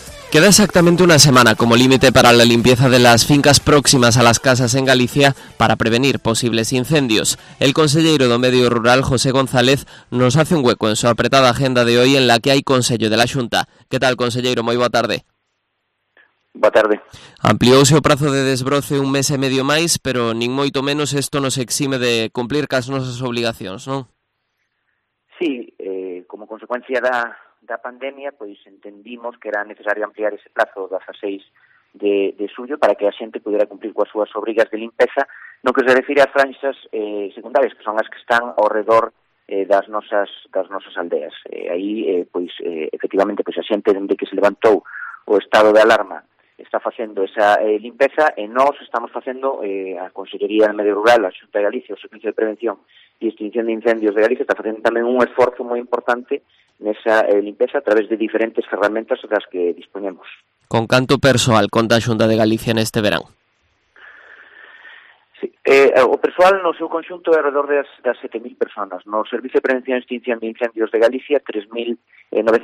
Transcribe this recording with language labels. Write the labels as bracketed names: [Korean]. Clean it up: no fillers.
[Spanish] Queda exactamente una semana como límite para la limpieza de las fincas próximas a las casas en Galicia para prevenir posibles incendios. El consejero do Medio Rural, José González, nos hace un hueco en su apretada agenda de hoy en la que hay consello de la Xunta. ¿Qué tal, consejero? Muy boa tarde. [Galician] Boa tarde. Ampliouse o prazo de desbroce 1 mes e medio máis, pero nin moito menos esto nos exime de cumplir cas nosas obligacións, non? Sí, como consecuencia da pandemia, pois entendimos que era necesario ampliar ese plazo das 6 de xullo para que a xente pudera cumplir coas súas obrigas de limpeza, no que se refire a franxas secundarias, que son as que están ao redor das nosas aldeas. Efectivamente, pois a xente dende que se levantou o estado de alarma está facendo esa limpeza, e nós estamos facendo, a Consellería de Medio Rural, a Xunta de Galicia, o Servicio de Prevención e Extinción de Incendios de Galicia, está facendo tamén un esforzo moi importante nesa limpeza a través de diferentes ferramentas das que dispoñemos. Con canto persoal conta a Xunta de Galicia neste verán? Sí, o persoal no seu conxunto é alrededor das 7.000 personas. No Servicio de Prevención e Extinción de Incendios de Galicia, 3.900.